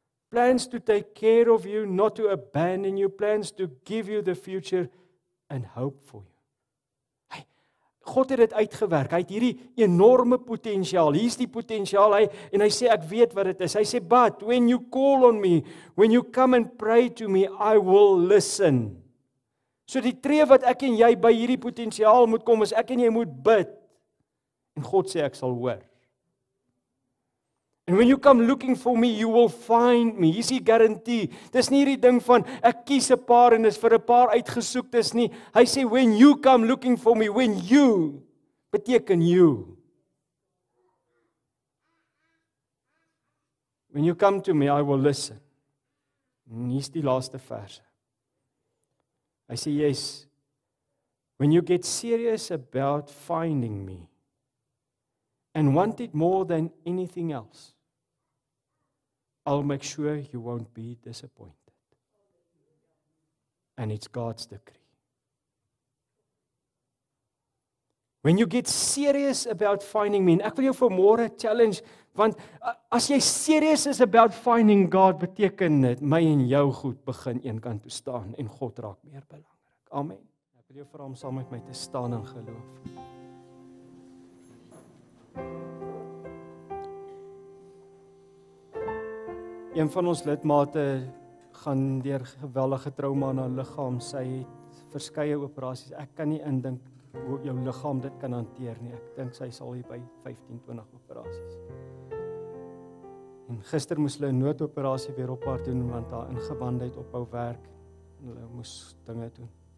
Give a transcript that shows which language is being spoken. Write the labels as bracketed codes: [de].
[en] Plans to take care of you, not to abandon you. Plans to give you the future and hope for you. [af] Hy, God het dit uitgewerk. Hy het hierdie enorme potensiaal. Hier is die potensiaal. En hy sê, ek weet wat dit is. Hy sê, [en] but when you call on me, when you come and pray to me, I will listen. [af] So die tree wat ek en jy by hierdie potensiaal moet kom, is ek en jy moet bid. En God sê, ek sal hoor. [en] And when you come looking for me, you will find me. [af] Hier is die guarantee. Dis nie hierdie ding van, ek kies 'n paar en is vir 'n paar uitgesoek, dis nie. Hy sê, [en] when you come looking for me, when you, [af] beteken [en] you. When you come to me, I will listen. [af] En hier is die laaste vers. Hy sê, [en] yes, when you get serious about finding me, and want it more than anything else, I'll make sure you won't be disappointed. And it's God's decree. When you get serious about finding me, [af] ek wil jou vanmôre challenge, want as jy serious is [en] about finding God, [af] beteken dit my en jou goed begin een kant toe staan en God raak meer belangrik. Amen. Ek wil jou vra om saam met my te staan in geloof. Een van ons lidmate gaan deur geweldige trauma aan haar liggaam. Sy het verskeie operasies. Ek kan nie indink hoe jou liggaam dit kan hanteer nie. Ek dink sy sal hier by 15-20 operasies. En gister moes hulle 'n noodoperasie weer op haar doen want haar ingewande het ophou werk. Hulle moes dinge doen.